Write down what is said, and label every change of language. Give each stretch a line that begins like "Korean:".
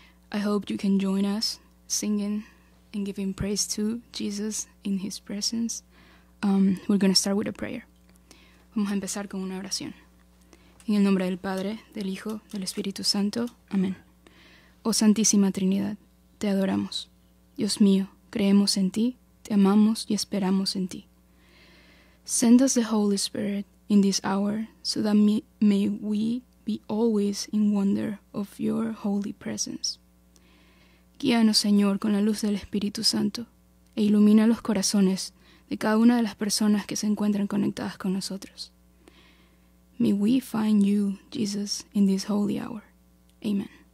English: I hope you can join us singing and giving praise to Jesus in his presence. We're going to start with a prayer.
Spanish: Vamos a empezar con una oración. En el nombre del Padre, del Hijo, del Espíritu Santo. Amén. Oh Santísima Trinidad, te adoramos. Dios mío, creemos en ti, te amamos y esperamos en ti.
English: Send us the Holy Spirit in this hour, so that may we be always in wonder of your holy presence.
Spanish: Guíanos, Señor, con la luz del Espíritu Santo, e ilumina los corazones de cada una de las personas que se encuentran conectadas con nosotros.
English: May we find you, Jesus, in this holy hour. Amen.